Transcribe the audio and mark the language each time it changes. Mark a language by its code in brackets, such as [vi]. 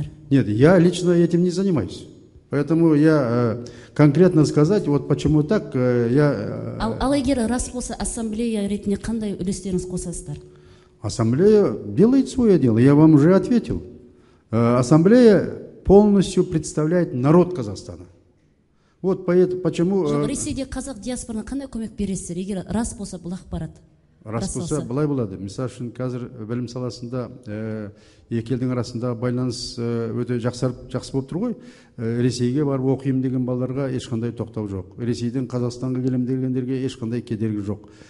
[ru] Нет, я лично этим не занимаюсь. Поэтому я конкретно сказать, вот почему так, я... [kk] Ал егер рас болса ассамблея ретіне қандай үлестеріңіз қосасыздар? [ru] Ассамблея делает свое дело, я вам уже ответил. Ассамблея полностью представляет народ Казахстана. Вот почему... [kk] Ресейде қазақ диаспорына қандай көмек бересіздер, егер рас болса бұл ақпарат? Рас болса былай болады. Мысал үшін қазір білім саласында екі елдің арасында байланыс өте жақсы болып тұр ғой. Ресейге барып оқиым деген балаларға ешқандай тоқтау жоқ. Ресейден Қазақстанға келем дегендерге ешқандай кедергі жоқ.